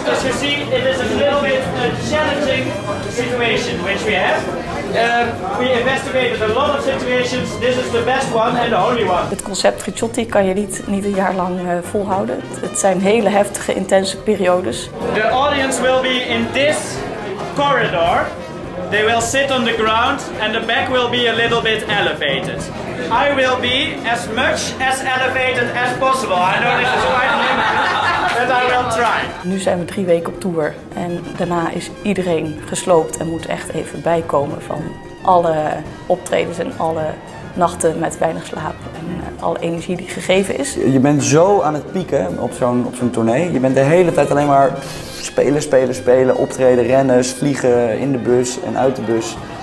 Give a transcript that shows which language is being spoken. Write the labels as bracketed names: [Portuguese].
[English] As you see, it is a little bit a challenging situation which we have. We investigated a lot of situations. This is the best one and the only one. [Dutch] Het concept Tricciotti kan je niet een jaar lang volhouden. Het zijn hele heftige, intense periodes. [English] The audience will be in this corridor, They will sit on the ground and the back will be a little bit elevated. I will be as much as elevated as possible. I know this is quite limited, but I will try. [Dutch] Nu zijn we 3 weken op tour en daarna is iedereen gesloopt en moet echt even bijkomen van alle optredens en alle nachten met weinig slaap en alle energie die gegeven is. Je bent zo aan het pieken op zo'n tournee. Je bent de hele tijd alleen maar spelen, optreden, rennen, vliegen in de bus en uit de bus.